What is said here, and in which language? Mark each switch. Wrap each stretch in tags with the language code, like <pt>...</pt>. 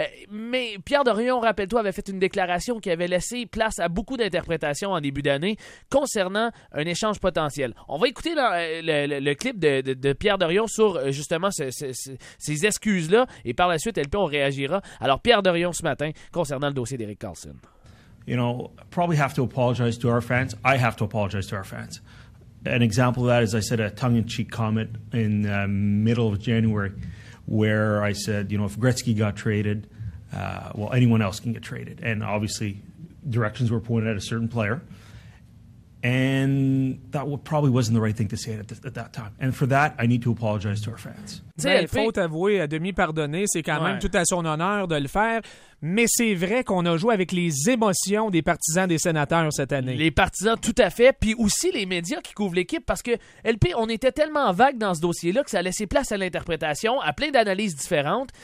<fr>Mais Pierre Dorion, rappelle-toi, avait fait une déclaration qui avait laissé place à beaucoup d'interprétations en début d'année concernant un échange potentiel. On va écouter le clip de Pierre Dorion sur justement ces excuses-là, et par la suite, LP, on réagira. Alors, Pierre Dorion, ce matin, concernant le dossier d'Eric Carlson.</fr> <en>You know, probably have to apologize to our fans. I have to apologize to our fans. An example of that is, I said, a tongue-in-cheek comment in the middle of January, where I said, you know, if Gretzky got traded, well, anyone else can get traded. And obviously, directions were pointed at a certain player. And that probably wasn't the right thing to say at that time. And for that, I need to apologize to our fans.</en> <fr>Ben, il faut t'avouer, à demi-pardonner, c'est quand même tout à son honneur de le faire. Mais c'est vrai qu'on a joué avec les émotions des partisans des sénateurs cette année. Les partisans, tout à fait. Puis aussi les médias qui couvrent l'équipe. Parce que, LP, on était tellement vague dans ce dossier-là que ça laissait place à l'interprétation, à plein d'analyses différentes.</fr>